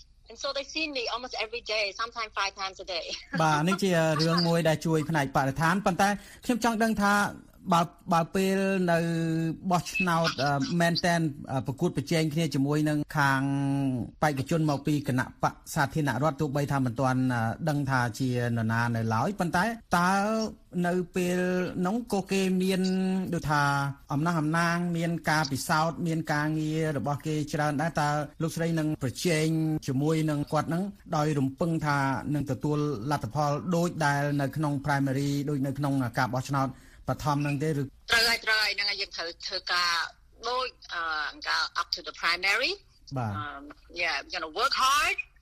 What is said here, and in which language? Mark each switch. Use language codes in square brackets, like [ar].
[en] And so they see me almost every day, sometimes 5 times a day. [km] បាទនេះជារឿងមួយដែលជួយផ្នែកបរិស្ថានប៉ុន្តែខ្ញុំចង់ដឹងថាបើពេលនៅបោះឆ្នោតមែនតែនប្រកួតប្រជែងគ្នាជាមួយនឹងខាង បេក្ខជនមកពីគណៈបកសាធារណរដ្ឋទោះបីថាមិនទាន់ដឹងថាជានរណានៅឡើយប៉ុន្តែតើនៅពេលនោះក៏គេមានដូចថាអំណះអំណាងមានការពិសោធន៍មានការងាររបស់គេច្រើនដែរតើលោកស្រីនឹងប្រជែងជាមួយនឹងគាត់នឹងដោយរំពឹងថានឹងទទួលលទ្ធផលដូចដែលនៅក្នុង primary ដូចនៅក្នុងការបោះឆ្នោតបឋមនឹងទេឬ ត្រូវហ្នឹងហើយយើងត្រូវធ្វើការដូចការ [en] up to the primary yeah going to work hard